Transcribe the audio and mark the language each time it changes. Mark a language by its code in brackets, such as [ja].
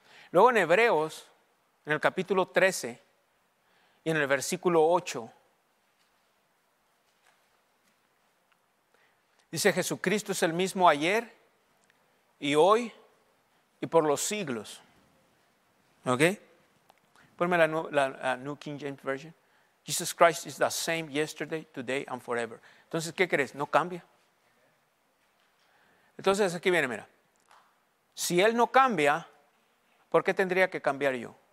[es] Luego en Hebreos, en el capítulo 13 y en el versículo 8, dice, Jesucristo es el mismo ayer y hoy y por los siglos. ¿Ok? Ponme la New King James Version. [en] Jesus Christ is the same yesterday, today and forever. [es] Entonces, ¿qué crees? No cambia. Entonces aquí viene, mira, si Él no cambia, ¿por qué tendría que cambiar yo?